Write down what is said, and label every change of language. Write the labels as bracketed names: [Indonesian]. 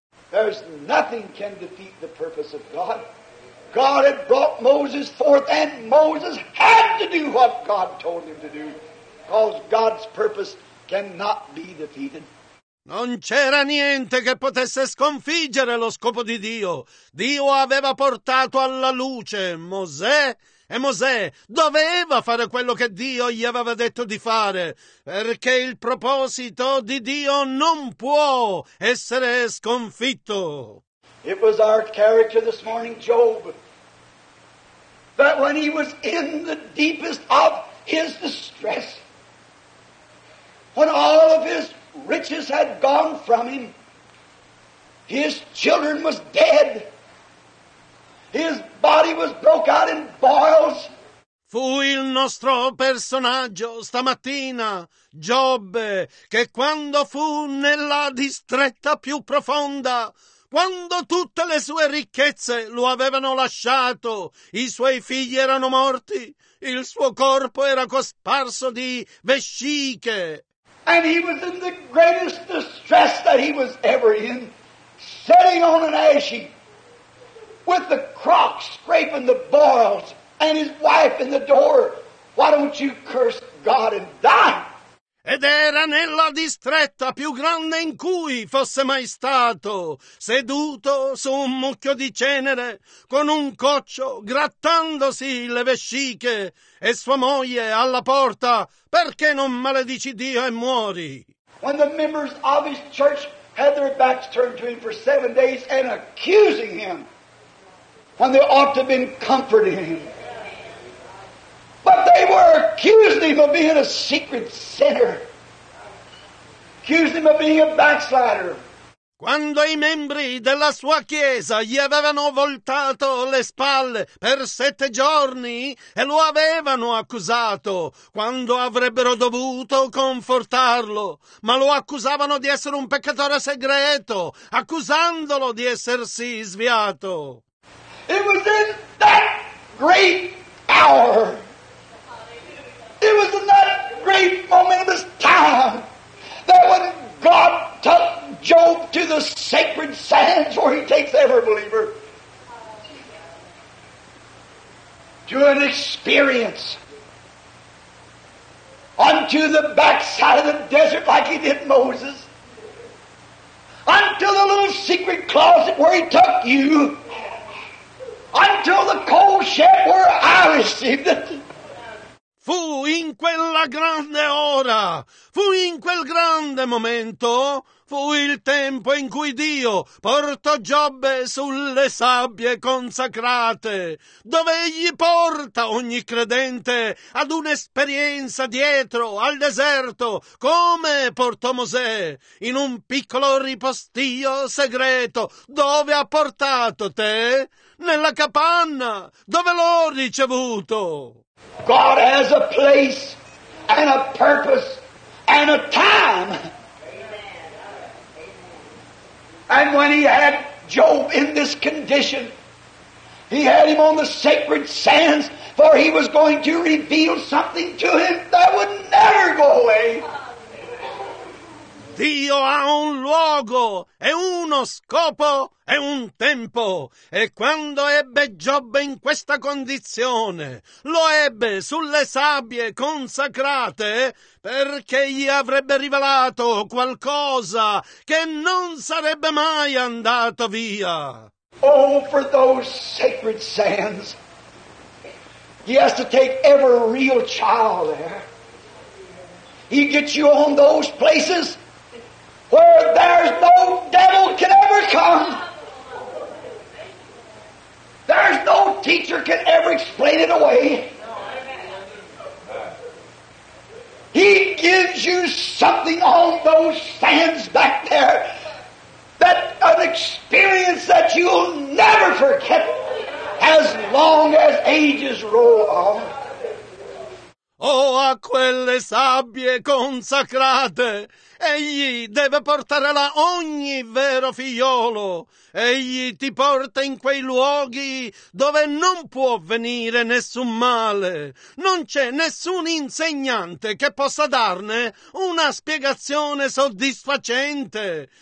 [English] There's nothing can defeat the purpose of God. God had brought Moses forth, and Moses had to do what God told him to do, because God's purpose cannot be defeated. [Italian] Non c'era niente che potesse sconfiggere lo scopo di Dio. Dio aveva portato alla luce Mosè, e Mosè doveva fare quello che Dio gli aveva detto di fare, perché il proposito di Dio non può essere sconfitto. [English] It was our character this morning, Job, that when he was in the deepest of his distress, when all of his riches had gone from him, his children was dead, his body was broke out in boils. [Italian] Fu il nostro personaggio stamattina, Giobbe, che quando fu nella distretta più profonda, quando tutte le sue ricchezze lo avevano lasciato, i suoi figli erano morti, il suo corpo era cosparso di vesciche. [English] And he was in the greatest distress that he was ever in, sitting on an ash heap, with the crock scraping the boils, and his wife in the door. Why don't you curse God and die? [Italian] Ed era nella distretta più grande in cui fosse mai stato, seduto su un mucchio di cenere, con un coccio grattandosi le vesciche, e sua moglie alla porta. Perché non maledici Dio e muori? [English] When the members of his church had their backs turned to him for 7 days and accusing him, when they ought to have been comforting him. But they were accusing him of being a secret sinner, accusing him of being a backslider. [Italian] Quando i membri della sua chiesa gli avevano voltato le spalle per 7 giorni e lo avevano accusato, quando avrebbero dovuto confortarlo, ma lo accusavano di essere un peccatore segreto, accusandolo di essersi sviato. [English] It was in that great hour, it was in that great moment of his time, that when God took Job to the sacred sands where he takes every believer, to an experience, unto the backside of the desert like he did Moses, unto the little secret closet where he took you, until the cold shed where I received it. [Italian] Fu in quella grande ora, fu in quel grande momento, fu il tempo in cui Dio portò Giobbe sulle sabbie consacrate, dove egli porta ogni credente ad un'esperienza dietro al deserto, come portò Mosè in un piccolo ripostio segreto, dove ha portato te nella capanna, dove l'ho ricevuto. [English] God has a place and a purpose and a time. And when he had Job in this condition, he had him on the sacred sands, for he was going to reveal something to him that would never go away. [Italian] Dio ha un luogo e uno scopo e un tempo. E quando ebbe Giobbe in questa condizione, lo ebbe sulle sabbie consacrate perché gli avrebbe rivelato qualcosa che non sarebbe mai andato via. [English] Oh, for those sacred sands. He has to take every real child there. He gets you on those places where there's no devil can ever come. There's no teacher can ever explain it away. He gives you something on those sands back there, that an experience that you'll never forget as long as ages roll on. [Italian] Oh, a quelle sabbie consacrate, egli deve portare là ogni vero figliolo. Egli ti porta in quei luoghi dove non può venire nessun male. Non c'è nessun insegnante che possa darne una spiegazione soddisfacente.